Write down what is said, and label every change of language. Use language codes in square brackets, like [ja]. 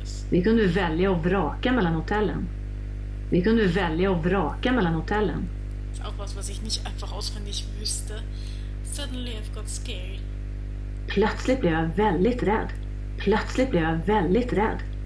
[sv] Vi kunde välja och vraka mellan hotellen. Vi kunde välja och vraka mellan hotellen. [de] Das ist auch was, was ich nicht einfach auswendig wüsste. [en] Suddenly I've got scared. [sv] Plötsligt blev jag väldigt rädd. Plötsligt blev jag väldigt rädd.